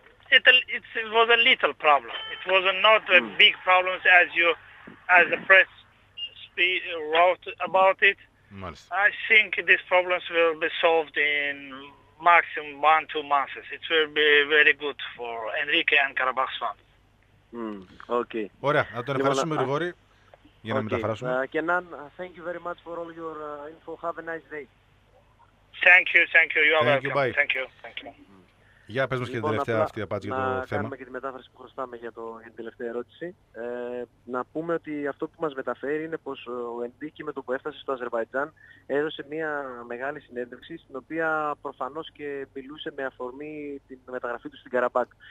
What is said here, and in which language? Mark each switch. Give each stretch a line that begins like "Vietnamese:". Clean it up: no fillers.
English: It was a little problem. It was not a big problem as you, as the press wrote about it. Nice. I think these problems will be solved in maximum 1-2 months. It will be very good for Enrique and Karabakh's fans. Okay.
Greek: Ωραία, να τον ευχαριστούμε, Γρηγόρη, για να μεταφράσουμε.
English: Kenan, thank you very much for all your info. Have a nice day. Thank you. You are welcome. Thank you.
Greek: Για πες μας και την τελευταία αυτή απάντηση για το θέμα. Να κάνουμε και τη μετάφραση που χρωστάμε για την τελευταία ερώτηση. Να πούμε ότι αυτό που μας μεταφέρει είναι πως ο Εντίκη με το που έφτασε στο Αζερβαϊτζάν έδωσε μια μεγάλη συνέντευξη στην οποία προφανώς και μιλούσε με αφορμή την μεταγραφή του στην Καραμπάκ.